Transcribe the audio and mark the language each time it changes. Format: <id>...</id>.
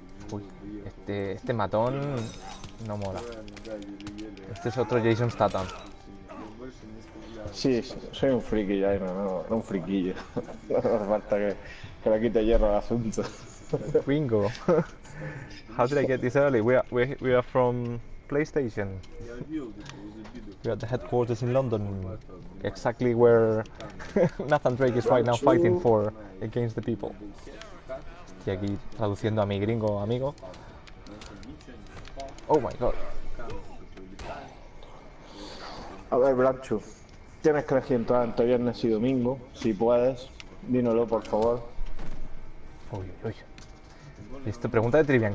<es>Uy, este matón no mola. Este es otro Jason Statham. Sí, soy un friki, ya, no un friquillo. No hace falta que le quite hierro al asunto.</es> <en>Bingo. How did I get this early? We are from PlayStation. We are at the headquarters in London. Exactly where Nathan Drake is right now fighting for against the people.</en> <es>estoy aquí traduciendo a mi gringo amigo.</es> <en>Oh my god.</en> <es>A ver, Blanchu, tienes que elegir entrar entre viernes y domingo, si puedes. Dínoslo, por favor. Uy, uy, uy. Listo, pregunta de Trivian.</es>